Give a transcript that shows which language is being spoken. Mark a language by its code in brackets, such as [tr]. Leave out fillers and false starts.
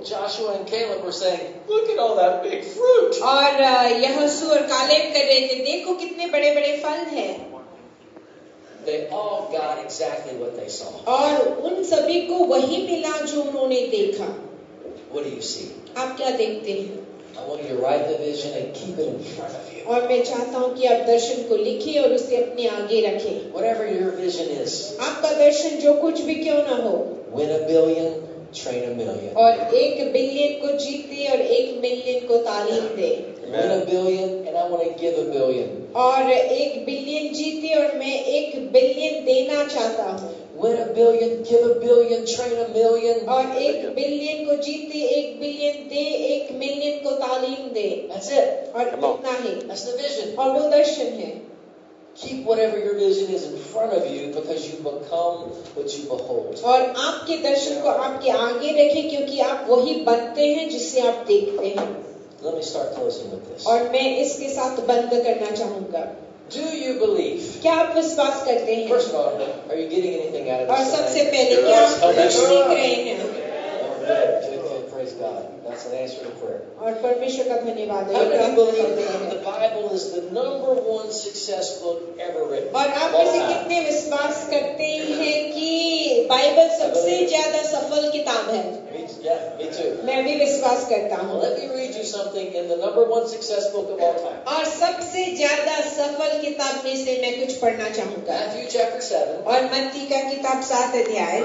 [en] Joshua and Caleb were saying, look at all that big fruit. [hi] और यहोशू और Caleb कह रहे थे, देखो कितने बड़े बड़े फल हैं. [en] They all got exactly what they saw. [hi] और उन सभी को वही मिला जो उन्होंने देखा. [en] What do you see? [hi] आप क्या देखते हैं? [en] I want you to write the vision and keep it in front of you. [hi] और मैं चाहता हूँ कि आप दर्शन को लिखें और उसे अपने आगे रखें. [en] Whatever your vision is. [hi] आपका दर्शन जो कुछ भी क्यों ना हो. [en] Win a billion, train a million. [hi] और एक बिलियन को जीते और एक मिलियन को तालीम दे. [en] Win a billion and I want to give a billion. [hi] और एक बिलियन जीते और मैं एक बिलियन देना चाहता हूँ. [en] Win a billion, give a billion, train a million. [hi] और एक बिलियन को जीते, एक बिलियन दे, एक मिलियन को तालीम दे. [en] That's it. [hi] और इतना ही. [en] That's the vision. [hi] और वो दर्शन है. [en] Keep whatever your vision is in front of you because you become what you behold. [hi] और आपके दर्शन को आपके आगे रखें क्योंकि आप वही बनते हैं जिसे आप देखते हैं. [en] Let me start closing with this. [hi] और मैं इसके साथ बंद करना चाहूंगा. [en] Do you believe? [hi] क्या आप विश्वास करते हैं? [en] First of all, are you getting anything out of this? [hi] और सबसे पहले क्या आप कुछ सीख रहे हैं? [en] Praise God. That's an answer to prayer. [hi] और परमेश्वर का धन्यवाद. [en] How many believe the Bible is the number one success book ever written? [hi] और आप इसे कितने विश्वास करते हैं कि बाइबल सबसे ज्यादा सफल किताब है? मैं भी विश्वास करता हूँ. [en] Let me read you something in the number one success book of all time. [hi] और सबसे ज्यादा सफल किताब में से मैं कुछ पढ़ना चाहूंगा. [en] Matthew chapter 7. [hi] और मत्ती का किताब 7 अध्याय.